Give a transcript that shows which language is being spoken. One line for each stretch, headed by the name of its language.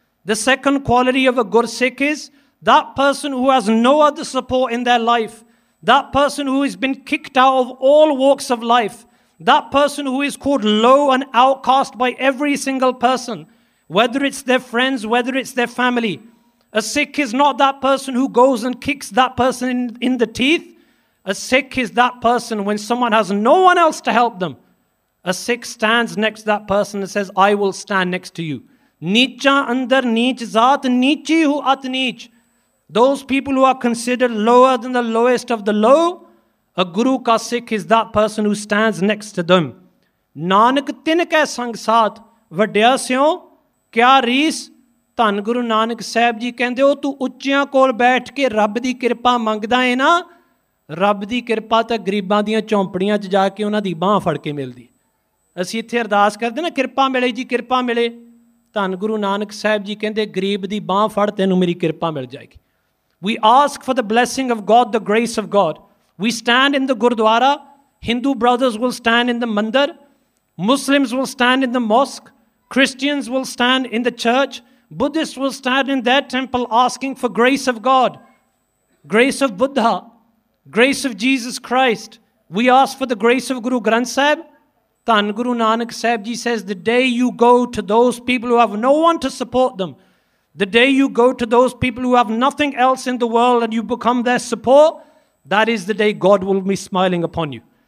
English: The second quality of a Gursikh is that person who has no other support in their life, that person who is been kicked out of all walks of life, that person who is called low and outcast by every single person, whether it's their friends, whether it's their family. A Sikh is not that person who goes and kicks that person in the teeth. A Sikh is that person when someone has no one else to help them. A Sikh stands next to that person and says, I will stand next to you.
Punjabi: Nicha andar nich zaat nichi hu at nich.
English: Those people who are considered lower than the lowest of the low, a
Punjabi: guru ka Sikh
English: is that person who stands next to them.
Punjabi: Nanak tin kai sang saat vadya syo kya reesh. ਧੰਨ ਗੁਰੂ ਨਾਨਕ ਸਾਹਿਬ ਜੀ ਕਹਿੰਦੇ ਉਹ ਤੂੰ ਉੱਚਿਆਂ ਕੋਲ ਬੈਠ ਕੇ ਰੱਬ ਦੀ ਕਿਰਪਾ ਮੰਗਦਾ ਹੈ ਨਾ, ਰੱਬ ਦੀ ਕਿਰਪਾ ਤਾਂ ਗਰੀਬਾਂ ਦੀਆਂ ਚੌਂਪੜੀਆਂ 'ਚ ਜਾ ਕੇ ਉਹਨਾਂ ਦੀ ਬਾਂਹ ਫੜ ਕੇ ਮਿਲਦੀ। ਅਸੀਂ ਇੱਥੇ ਅਰਦਾਸ ਕਰਦੇ ਨਾ, ਕਿਰਪਾ ਮਿਲੇ ਜੀ, ਕਿਰਪਾ ਮਿਲੇ। ਧੰਨ ਗੁਰੂ ਨਾਨਕ ਸਾਹਿਬ ਜੀ ਕਹਿੰਦੇ ਗਰੀਬ ਦੀ ਬਾਂਹ ਫੜ, ਤੈਨੂੰ ਮੇਰੀ ਕਿਰਪਾ ਮਿਲ ਜਾਏਗੀ।
English: We ask for the blessing of God, the grace of God. We stand in the gurdwara, Hindu brothers will stand in the mandir, Muslims will stand in the mosque, Christians will stand in the church, Buddhists will stand in their temple asking for grace of God, grace of Buddha, grace of Jesus Christ. We ask for the grace of Guru Granth Sahib. Tan Guru Nanak Sahib Ji says, the day you go to those people who have no one to support them, the day you go to those people who have nothing else in the world and you become their support, that is the day God will be smiling upon you.